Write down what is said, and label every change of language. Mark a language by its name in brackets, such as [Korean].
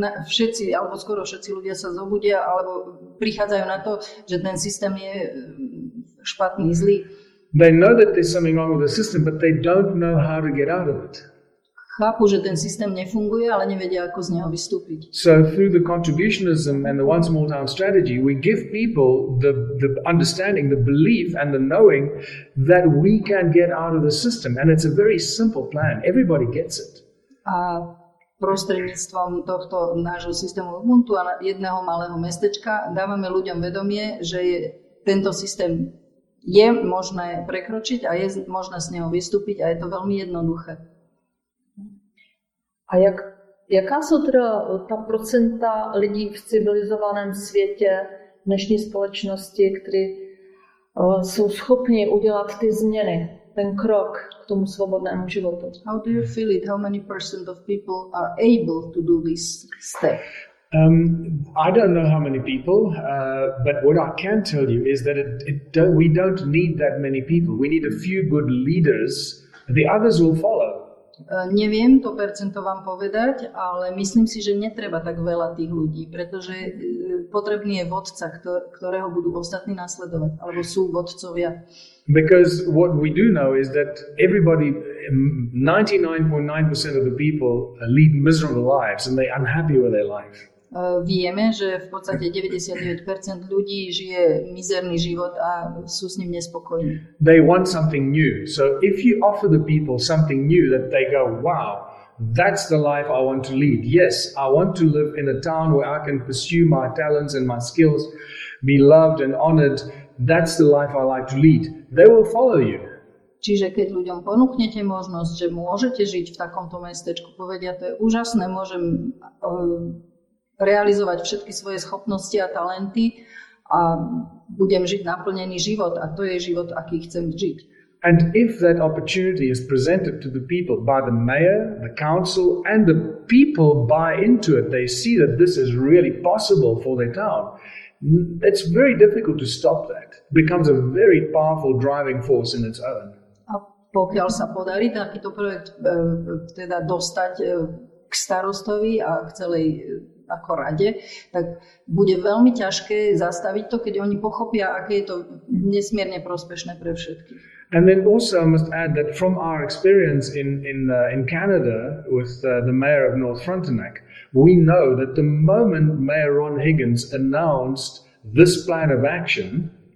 [Slovak] Všetci alebo skoro všetci ľudia sa zobudia alebo prichádzajú na to, že ten systém je špatný, zlý. [English] They know that there's something wrong with the system, but they don't know how to get out of it. [Slovak] Chápu, že ten systém nefunguje, ale nevedia, ako z neho vystúpiť. [English] So through the contributionism and the one small town strategy, we give people the understanding, the belief and the knowing that we can get out of the system. And it's a very simple plan. Everybody gets it. [Slovak] A prostredníctvom tohto nášho systému Ubuntu a jedného malého mestečka dávame ľuďom vedomie, že je tento systém je možné prekročiť a je možné z neho vystúpiť a je to veľmi jednoduché. [Czech] A jaká jsou teda ta procenta lidí v civilizovaném světě dnešní společnosti, kteří jsou schopni udělat ty změny, ten krok k tomu svobodnému životu? [English] How do you feel it? How many percent of people are able to do this step? I don't know how many people, but what I can tell you is that we don't need that many people. We need a few good leaders. The others will follow. [Slovak] Neviem to percento vám povedať, ale myslím si, že netreba tak veľa tých ľudí, pretože potrebný je vodca, ktorého budú ostatní nasledovať, alebo sú vodcovia. [English] Because what we do know is that everybody, 99.9% of the people lead miserable lives and they're unhappy with their life. [Slovak] Vieme, že v podstate 99% ľudí žije mizerný život a sú s ním nespokojní. [English] They want something new. So if you offer the people something new that they go, wow, that's the life I want to lead. Yes, I want to live in a town where I can pursue my talents and my skills, be loved and honored. That's the life I like to lead. They will follow you. [Slovak] Čiže keď ľuďom ponúknete možnosť, že môžete žiť v takomto mestečku, povedia, to je úžasné, môžem realizovať všetky svoje schopnosti a talenty a budem žiť naplnený život a to je život, aký chcem žiť. [English] And if that opportunity is presented to the people by the mayor, the council and the people buy into it, they see that this is really possible for their town, it's very difficult to stop that. It becomes a very powerful driving force in its own. [Slovak] A pokiaľ sa podarí takýto projekt teda dostať k starostovi a k celej ako rade, tak bude veľmi ťažké zastaviť to, keď oni pochopia, aké je to nesmierne prospešné pre všetkých. [English] And then also I must add that from our experience in Canada with the mayor of North Frontenac, we know that the moment Mayor Ron Higgins announced this plan of action,